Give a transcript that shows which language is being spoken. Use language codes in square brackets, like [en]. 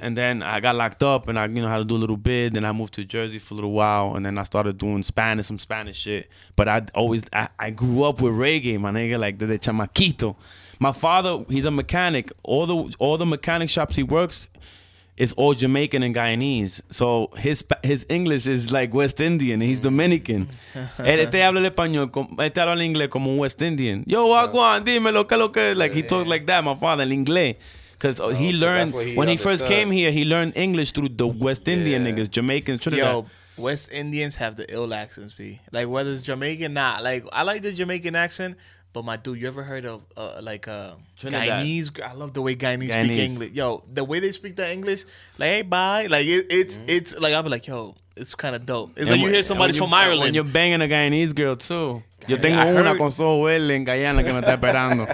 [en] And then I got locked up and I, you know, had to do a little bit. Then I moved to Jersey for a little while. And then I started doing Spanish, some Spanish shit. But I grew up with reggae, my nigga, like the chamaquito. My father, he's a mechanic. All the mechanic shops he works is all Jamaican and Guyanese. So his English is like West Indian. He's Dominican. [es] Este habla el español, este habla el inglés como un West Indian. [en] Yo, Juan, [es] dime lo que [en] Like he talks like that, my father, [es] el inglés. [en] Because he learned, came here, he learned English through the West Indian niggas, Jamaicans, Trinidad. Yo, West Indians have the ill accents, B. Like, whether it's Jamaican, nah. Like, I like the Jamaican accent, but my dude, you ever heard of, Guyanese? I love the way Guyanese speak English. Yo, the way they speak the English, like, hey, bye. Like, it's like, I'll be like, yo, it's kind of dope. It's like you hear somebody from Ireland. And you're banging a Guyanese girl, too. [es] Yo tengo una con su abuela en Guyana que me está esperando.